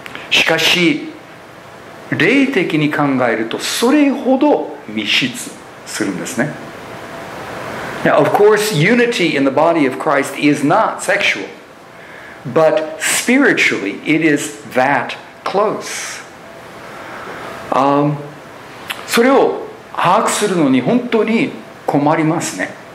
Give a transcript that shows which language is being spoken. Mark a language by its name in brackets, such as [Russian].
[Japanese] しかし霊的に考えるとそれほど密室するんですね。 [English] Now, of course, unity in the body of Christ is not sexual, but spiritually it is that close. [Japanese] それを把握するのに本当に困りますね。